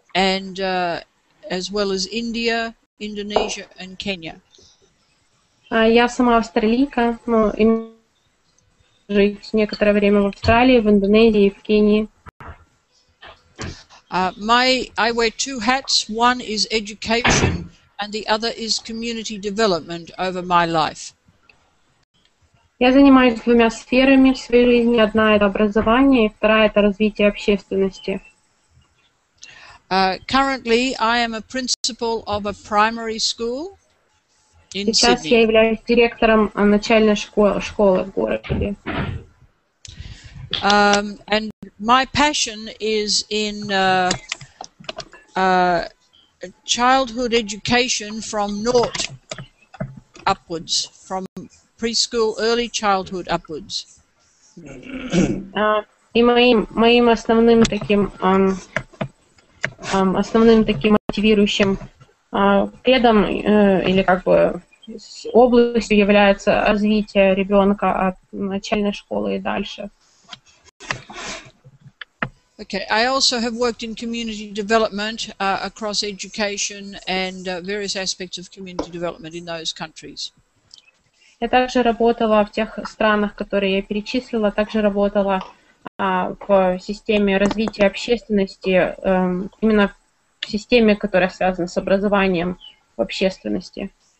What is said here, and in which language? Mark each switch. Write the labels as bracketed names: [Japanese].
[English] and as well as India, Indonesia, and Kenya. [Russian] Я сама австралийка, но жить некоторое время в Австралии, в Индонезии, в Кении. [English] I wear two hats. One is education, and the other is community development over my life. [Russian] Я занимаюсь двумя сферами в своей жизни. Одна – это образование, и вторая – это развитие общественности. [English] Currently, I am a principal of a primary school in [Russian] Сейчас [English] Sydney. [Russian] Я являюсь директором начальной школы в городе. [English] And my passion is in childhood education from naught upwards, from preschool, early childhood upwards. [Russian] И моим основным таким основным таким мотивирующим предом или как бы областью является развитие ребенка от начальной школы и дальше. [English] Okay, I also have worked in community development across education and various aspects of community development in those countries. [Russian] Я также работала в тех странах, которые я перечислила, также работала в системе развития общественности, именно в системе, которая связана с образованием в общественности.